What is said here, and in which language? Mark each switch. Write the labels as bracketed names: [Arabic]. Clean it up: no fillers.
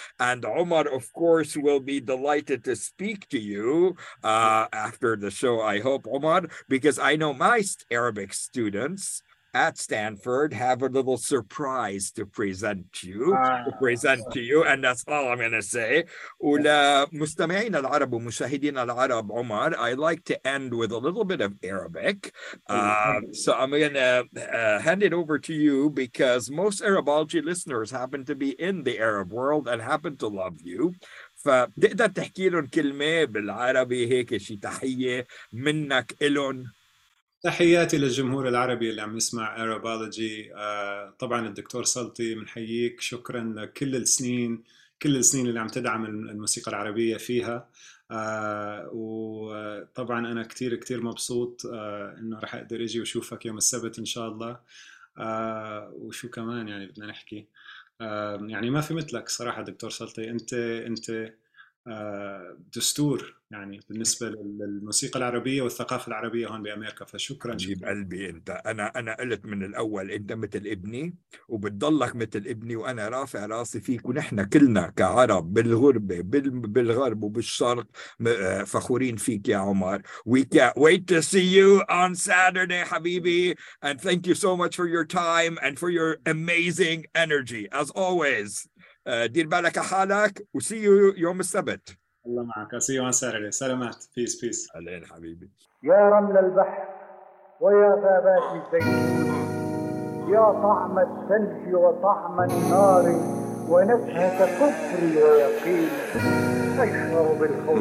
[English] And Omar, of course, will be delighted to speak to you after the show, I hope, Omar, because I know my Arabic students at Stanford have a little surprise to present to you, and that's all I'm going to say. [Arabic] Ula mustami'in al-Arab, mushahidin al-Arab, [English] Omar, I like to end with a little bit of Arabic. So I'm going to hand it over to you because most Arabology listeners happen to be in the Arab world and happen to love you. [Arabic] فتقدر تحكي لهم كلمة بالعربي هيك شي تحية منك إلهم. تحياتي للجمهور العربي اللي عم يسمع Arabology. طبعا الدكتور سلطي منحييك، شكرا لكل السنين كل السنين اللي عم تدعم الموسيقى العربية فيها. وطبعا أنا كتير كتير مبسوط إنه راح أقدر أجي وأشوفك يوم السبت إن شاء الله. وشو كمان بدنا نحكي، يعني ما في مثلك صراحة دكتور سلطي. أنت دستور بالنسبة للموسيقى العربية والثقافة العربية هون بأمريكا، فشكرا حبيب شكرا. قلبي انت، انا قلت من الاول انت مثل ابني وبتضلك مثل ابني، وانا رافع راسي فيك، ونحن كلنا كعرب بالغربه بالغرب وبالشرق فخورين فيك يا عمر. [English] We can't wait to see you on Saturday حبيبي، and thank you so much for your time and for your amazing energy as always. [Arabic] دير بالك حالك، و [English] see you [Arabic] يوم السبت. الله معك. [English] I'll see you on Saturday. [Arabic] سلامات. [English] Peace, peace. [Arabic] ألين حبيبي. يا رمل البحر ويا غابات الزيت، يا طعم الثلج وطعم النار ونكهة كفر ويقين تشعر بالخوف.